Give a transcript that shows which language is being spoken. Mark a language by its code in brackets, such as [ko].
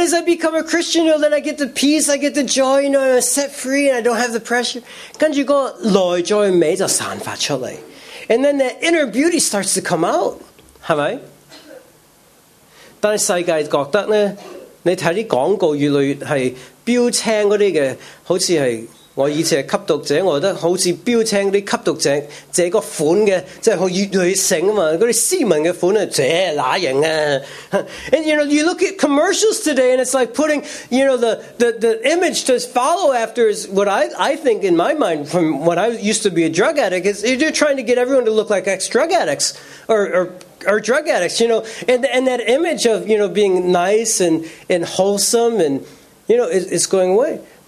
[en] as I become a Christian, you know, then I get the peace, I get the joy, you know, I'm set free, and I don't have the pressure. [yue] 跟住个内在美就散发出嚟， [en] and then that inner beauty starts to come out. [yue] 系咪？但世界觉得呢，你睇啲广告越来越系标青嗰啲嘅，好似系我以前系吸毒者，我觉得好似标青啲吸毒者，这个款嘅，即系越来越醒啊嘛，嗰啲斯文嘅款啊，这哪型啊 [en] ？And you know, you look at commercials today, and it's like putting, you know, the image to follow after is what I think in my mind from when I used to be a drug addict is you're trying to get everyone to look like ex drug addicts or drug addicts, you know, and that image of, you know, being nice and wholesome and, you know, it's going away.